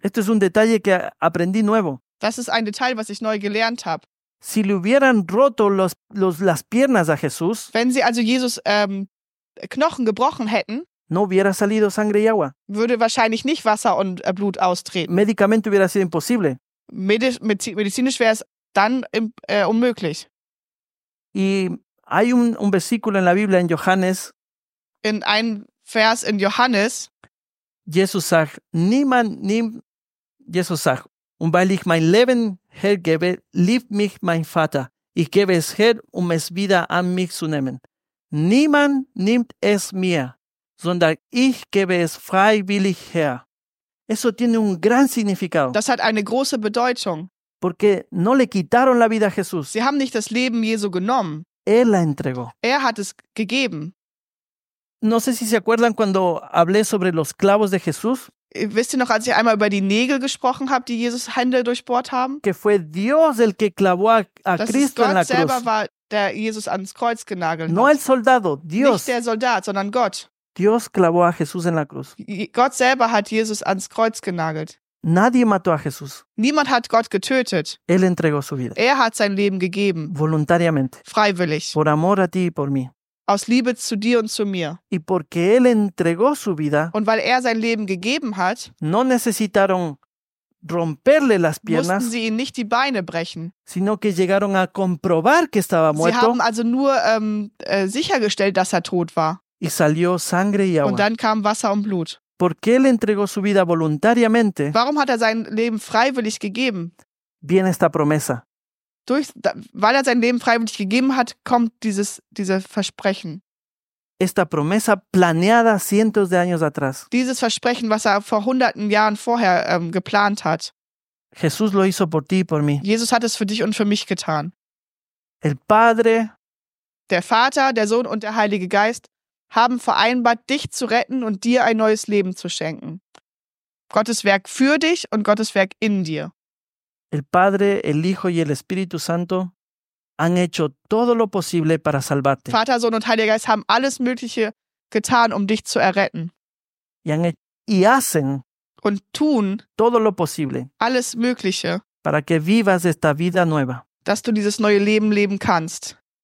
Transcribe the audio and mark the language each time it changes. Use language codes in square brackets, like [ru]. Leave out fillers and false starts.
[es] Esto es un detalle que aprendí nuevo. [de] Das ist ein Detail, was ich neu gelernt habe. [es] Si le hubieran roto las piernas a Jesús, [de] wenn sie also Jesus Knochen gebrochen hätten, [es] no hubiera salido sangre y agua. [de] Würde wahrscheinlich nicht Wasser und Blut austreten. [es] Medicamento hubiera sido imposible. [de] Medizinisch wäre es dann unmöglich. [es] Y hay un versículo en la Biblia en Johannes. [de] In ein Vers in Johannes. Jesus sagt, weil ich mein Leben hergebe, liebt mich mein Vater. Ich gebe es her, es wieder an mich zu nehmen. Niemand nimmt es mir, sondern ich gebe es freiwillig her. [es] Eso tiene un gran significado. [de] Das hat eine große Bedeutung. [es] Porque no le quitaron la vida a Jesús. [de] Sie haben nicht das Leben Jesu genommen. [es] Él la entregó. [de] Er hat es gegeben. [es] No sé si se acuerdan cuando hablé sobre los clavos de Jesús. [de] Wisst ihr noch, als ich einmal über die Nägel gesprochen habe, die Jesus' Hände durchbohrt haben? Dass Gott selber war, der Jesus ans Kreuz genagelt [es] no [de] hat. [es] El soldado, Dios. [de] Nicht der Soldat, sondern Gott. [es] Dios clavó a Jesús en la cruz. [de] Gott selber hat Jesus ans Kreuz genagelt. [es] Nadie mató a Jesús. [de] Niemand hat Gott getötet. [es] Él entregó su vida. [de] Er hat sein Leben gegeben. [es] Voluntariamente. [de] Freiwillig. [es] Por amor a ti y por mí. [de] Aus Liebe zu dir und zu mir. [es] Y porque él entregó su vida, [de] und weil er sein Leben gegeben hat, [es] no necesitaron romperle las piernas, [de] mussten sie ihm nicht die Beine brechen. [es] Sino que llegaron a comprobar que estaba muerto, [de] sie haben also nur sichergestellt, dass er tot war. [es] Y salió sangre y agua. [de] Und dann kam Wasser und Blut. [es] Porque él entregó su vida voluntariamente, [de] warum hat er sein Leben freiwillig gegeben? [es] Viene esta promesa. [de] Weil er sein Leben freiwillig gegeben hat, kommt dieses Versprechen. [es] Esta promesa planeada cientos de años atrás. [de] Dieses Versprechen, was er vor hunderten Jahren vorher geplant hat. [es] Jesús lo hizo por ti y por mí. [de] Jesus hat es für dich und für mich getan. [es] El Padre, [de] der Vater, der Sohn und der Heilige Geist haben vereinbart, dich zu retten und dir ein neues Leben zu schenken. Gottes Werk für dich und Gottes Werk in dir. [es] El Padre, el Hijo y el Espíritu Santo han hecho todo lo posible para salvarte. [de] Vater, Sohn und Heiliger Geist haben alles Mögliche getan, dich zu erretten. [es] Y hacen [de] und tun [es] todo lo posible [de] alles Mögliche, [es] para que vivas esta vida nueva. [de] Dass du dieses neue Leben leben kannst.